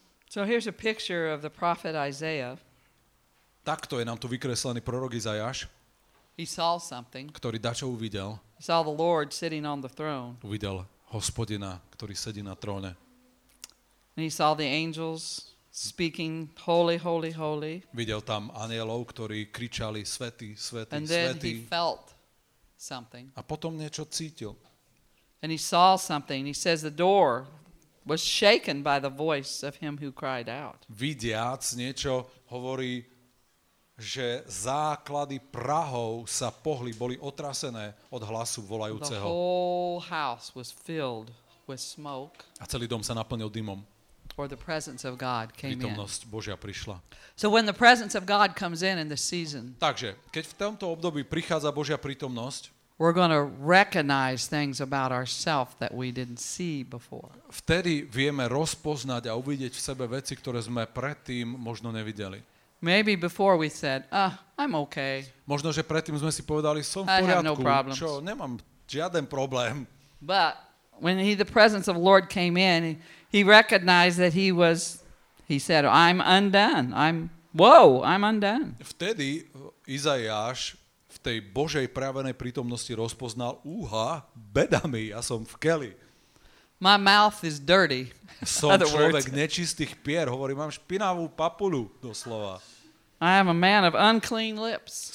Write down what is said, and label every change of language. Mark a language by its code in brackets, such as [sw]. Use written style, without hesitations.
[en] So here's a picture of the prophet Isaiah. [sk] Takto je nám tu vykreslený prorok Izajáš. [en] He saw something. [sk] Ktorý dačo uvidel. [en] He saw the Lord sitting on the throne. [sk] Uvidel Hospodina, ktorý sedí na tróne. [en] And he saw the angels speaking holy, holy, holy. [sk] Videl tam anielov, ktorí kričali svätý, svätý, svätý. [en] And then he felt something. [sk] A potom niečo cítil. [en] And he saw something. He says the door was shaken by the voice of him who cried out. [sk] Vidiac niečo hovorí, že základy prahov sa pohli, boli otrasené od hlasu volajúceho. [en] The whole house was filled with smoke. [sk] A celý dom sa naplnil dymom. [en] Or the presence of God came in. [sk] Prítomnosť Božia prišla. [en] So when the presence of God comes in the season. [sk] Takže keď v tomto období prichádza Božia prítomnosť, [en] we're going to recognize things about ourselves that we didn't see before. [sk] Vtedy vieme rozpoznať a uvidieť v sebe veci, ktoré sme predtým možno nevideli. [en] Maybe before we said, I'm okay. [sk] Možno že predtým sme si povedali, som v poriadku. [en] I have no problems. [sk] Čo, nemám žiaden problém. [en] But when the presence of the Lord came in, he recognized that he said, I'm undone. I'm undone. [sk] Vtedy Izajáš v tej Božej prejavenej prítomnosti rozpoznal, úha, beda mi, ja som v keli. [en] My mouth is dirty. [sk] Som človek nečistých pier, hovorím, mám špinavú papuľu, doslova. [en] I am a man of unclean lips.